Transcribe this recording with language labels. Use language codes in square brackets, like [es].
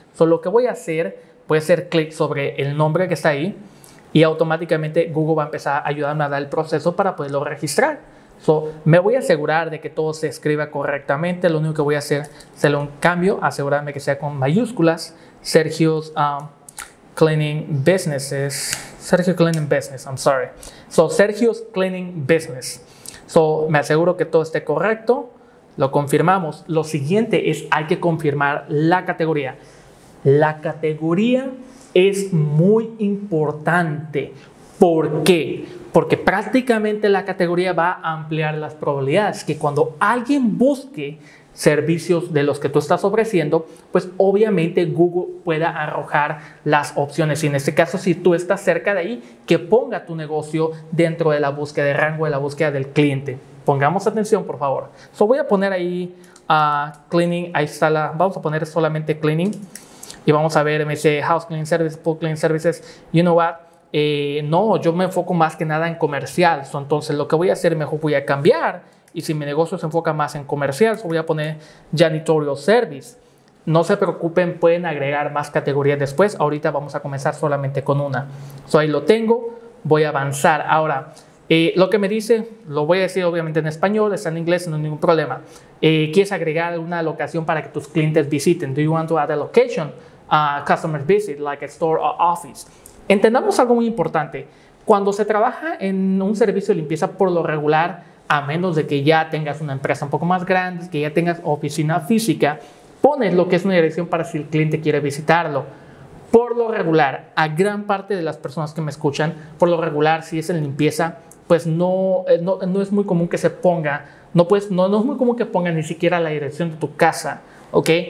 [es] So, lo que voy a hacer, puede hacer clic sobre el nombre que está ahí y automáticamente Google va a empezar a ayudarme a dar el proceso para poderlo registrar. So, me voy a asegurar de que todo se escriba correctamente. Lo único que voy a hacer, se lo cambio, asegurarme que sea con mayúsculas. [en] Sergio's Cleaning Businesses. Sergio Cleaning Business, I'm sorry. So, Sergio's Cleaning Business. [es] So, me aseguro que todo esté correcto. Lo confirmamos. Lo siguiente es, hay que confirmar la categoría. La categoría es muy importante. ¿Por qué? Porque prácticamente la categoría va a ampliar las probabilidades que cuando alguien busque servicios de los que tú estás ofreciendo, pues obviamente Google pueda arrojar las opciones. Y en este caso, si tú estás cerca de ahí, que ponga tu negocio dentro de la búsqueda de rango, de la búsqueda del cliente. Pongamos atención, por favor. So, voy a poner ahí cleaning. Ahí está la. Vamos a poner solamente cleaning. Y vamos a ver, me dice [en] house cleaning services, pool cleaning services. You know what? [es] No, yo me enfoco más que nada en comercial. So, entonces, lo que voy a hacer, mejor voy a cambiar. Y si mi negocio se enfoca más en comercial, voy a poner [en] janitorial service. [es] No se preocupen, pueden agregar más categorías después. Ahorita vamos a comenzar solamente con una. So, ahí lo tengo. Voy a avanzar. Ahora, lo que me dice, lo voy a decir obviamente en español, está en inglés, no hay ningún problema. ¿Quieres agregar una locación para que tus clientes visiten? [en] Do you want to add a location? Customer visit, like a store or office. [es] Entendamos algo muy importante. Cuando se trabaja en un servicio de limpieza, por lo regular, a menos de que ya tengas una empresa un poco más grande, que ya tengas oficina física, pones lo que es una dirección para si el cliente quiere visitarlo. Por lo regular, a gran parte de las personas que me escuchan, por lo regular, si es en limpieza, pues no es muy común que se ponga, no es muy común que ponga ni siquiera la dirección de tu casa, ¿ok?